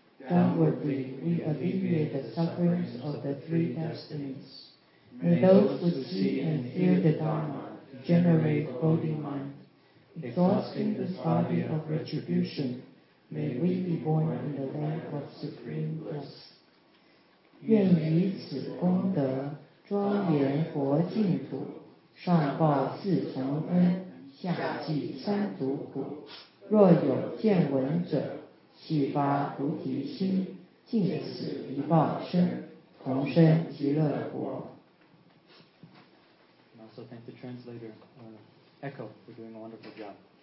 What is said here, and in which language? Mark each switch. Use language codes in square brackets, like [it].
[en] downwardly we alleviate the sufferings of the three destinies. May those who see and hear the Dharma generate Bodhi mind. Exhausting this body of retribution, may we be born in the land of supreme bliss. [zh] 愿以此功德庄严佛净土，上报四重恩，下济三途苦。若有见闻者，悉发菩提心，尽此一报身，同生极乐国。 [en] And also thank the translator, Echo, for doing a wonderful job.